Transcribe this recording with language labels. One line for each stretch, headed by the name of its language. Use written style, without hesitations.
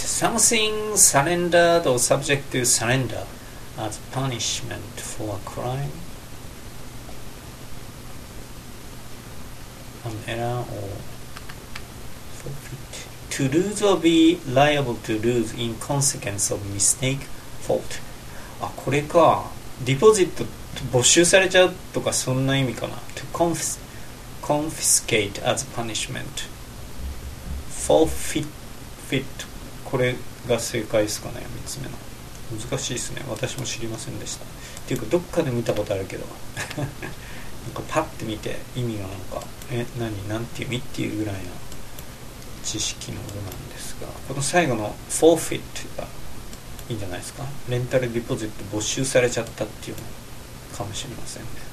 English: Something surrendered or subject to surrender as punishment for a crime. An error or forfeit. To lose or be liable to lose in consequence of mistake, fault.
Japanese: あ、これか。ディポジット没収されちゃうとか、そんな意味かな。
English: To confiscate as punishment. Forfeit.
Japanese: これが正解ですかね、3つ目の。難しいですね。私も知りませんでした。っていうか、どっかで見たことあるけど。なんかパッて見て意味がなんか、何て意味っていうぐらいの知識のものなんですが、この最後のフォーフィットがいいんじゃないですか。レンタルディポジット没収されちゃったっていうのかもしれませんね。